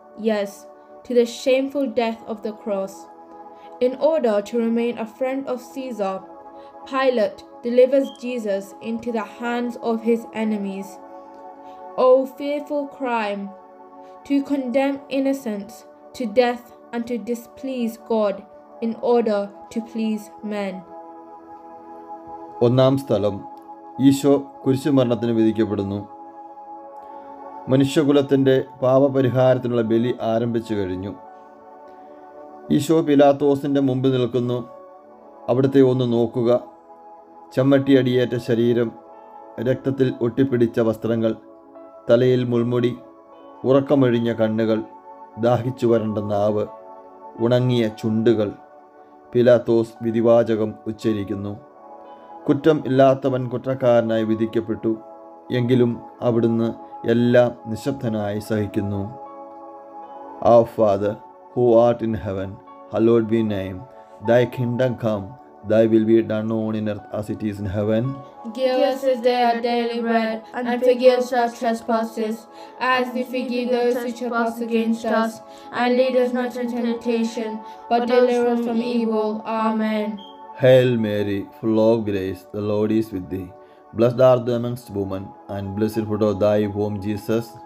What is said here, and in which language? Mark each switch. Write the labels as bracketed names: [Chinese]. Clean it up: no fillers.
[English] Yes, to the shameful death of the cross. In order to remain a friend of Caesar, Pilate delivers Jesus into the hands of his enemies. Oh, fearful crime! To condemn innocence to death and to displease God in order to please men. [Malayalam] ഒന്നാം സ്ഥലം, ഈശോ കുരിശുമരണത്തിന് വിധിക്കപ്പെടുന്നു. മനുഷ്യകുലത്തിൻ്റെ പാപപരിഹാരത്തിനുള്ള ബലി ആരംഭിച്ചു കഴിഞ്ഞു. ഈശോ പിലാത്തോസിൻ്റെ മുമ്പിൽ നിൽക്കുന്നു. അവിടുത്തെ ഒന്ന് നോക്കുക. ചമ്മട്ടിയടിയേറ്റ ശരീരം, രക്തത്തിൽ ഒട്ടിപ്പിടിച്ച വസ്ത്രങ്ങൾ, തലയിൽ മുൾമുടി, ഉറക്കമൊഴിഞ്ഞ കണ്ണുകൾ, ദാഹിച്ചു വരണ്ട നാവ്, ഉണങ്ങിയ ചുണ്ടുകൾ. പിലാത്തോസ് വിധിവാചകം ഉച്ചരിക്കുന്നു. കുറ്റം ഇല്ലാത്തവൻ കുറ്റക്കാരനായി വിധിക്കപ്പെട്ടു. എങ്കിലും അവിടുന്ന് എല്ലാം നിശബ്ദനായി സഹിക്കുന്നു. [English] Our father who art in heaven, hallowed be name, thy kingdom come, thy will be done on in earth as it is in heaven. Give us this day our daily bread, and forgive us our trespasses, as we forgive those who trespass against us. And lead us not into temptation, but deliver us from evil. Amen. Hail Mary, full of grace, the Lord is with thee. Blessed art thou amongst women, and blessed the fruit of thy womb, Jesus.